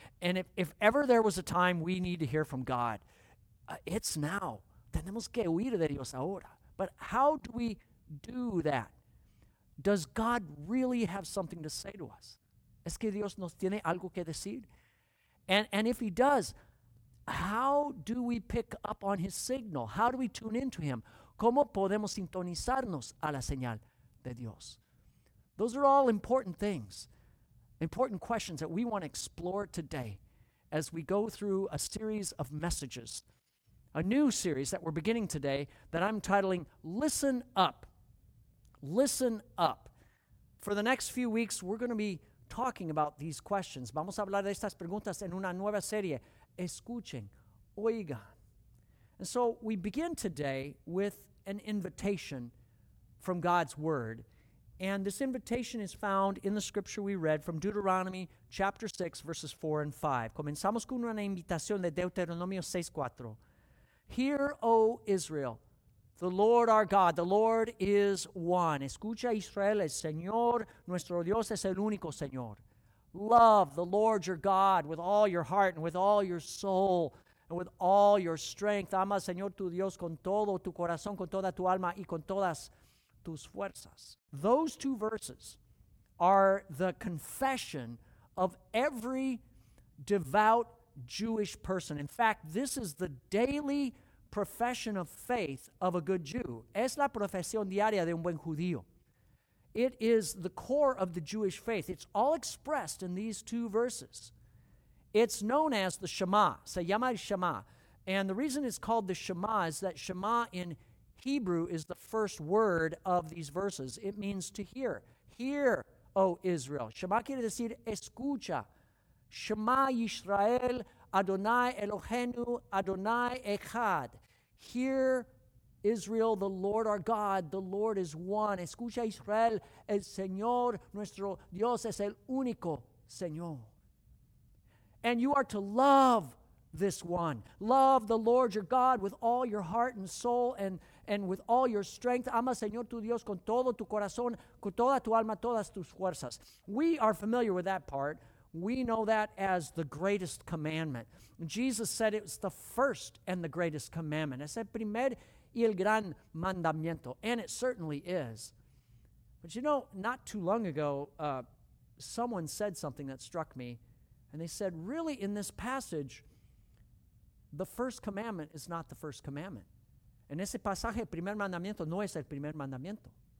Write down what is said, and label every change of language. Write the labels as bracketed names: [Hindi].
[English] And if ever there was a time we need to hear from God, it's now. [Spanish] Tenemos que oír de Dios ahora. [English] But how do we do that? Does God really have something to say to us? [Spanish] ¿Es que Dios nos tiene algo que decir? [English] And if he does, how do we pick up on his signal? How do we tune into him? [Spanish] ¿Cómo podemos sintonizarnos a la señal de Dios? [English] Those are all important things, important questions that we want to explore today as we go through a series of messages, a new series that we're beginning today that I'm titling Listen Up. Listen Up. For the next few weeks, we're going to be talking about these questions. [Spanish] Vamos a hablar de estas preguntas en una nueva serie. Escuchen, oiga. [English] And so we begin today with an invitation from God's word. And this invitation is found in the scripture we read from Deuteronomy chapter 6, verses 4 and 5. [Spanish] Comenzamos con una invitación de Deuteronomio 6, 4. [English] Hear, O Israel, the Lord our God, the Lord is one. [Spanish] Escucha, Israel, el Señor, nuestro Dios es el único Señor. [English] Love the Lord your God with all your heart and with all your soul and with all your strength. [Spanish] Ama al Señor tu Dios con todo tu corazón, con toda tu alma y con todas tus fuerzas. [English] Those two verses are the confession of every devout Jewish person. In fact, this is the daily profession of faith of a good Jew. [Spanish] Es la profesión diaria de un buen judío. [English] It is the core of the Jewish faith. It's all expressed in these two verses. It's known as the Shema. [Spanish] Se llama el Shema. [English] And the reason it's called the Shema is that Shema in Hebrew is the first word of these verses. It means to hear. Hear, O Israel. [Spanish] Shema quiere decir escucha. [Hebrew] Shema Yisrael, Adonai Eloheinu, Adonai Echad. [English] Hear, Israel, the Lord our God, the Lord is one. [Spanish] Escucha, Israel, el Señor, nuestro Dios es el único Señor. [English] And you are to love this one. Love the Lord your God with all your heart and soul and with all your strength. [Spanish] Ama, Señor, tu Dios, con todo tu corazón, con toda tu alma, todas tus fuerzas. [English] We are familiar with that part. We know that as the greatest commandment. Jesus said it was the first and the greatest commandment. [Spanish] Es el primer y el gran mandamiento, [English] and it certainly is. But you know, not too long ago, someone said something that struck me, and they said, really, in this passage, the first commandment is not the first commandment. [Spanish] En ese pasaje, el primer mandamiento no es el primer mandamiento.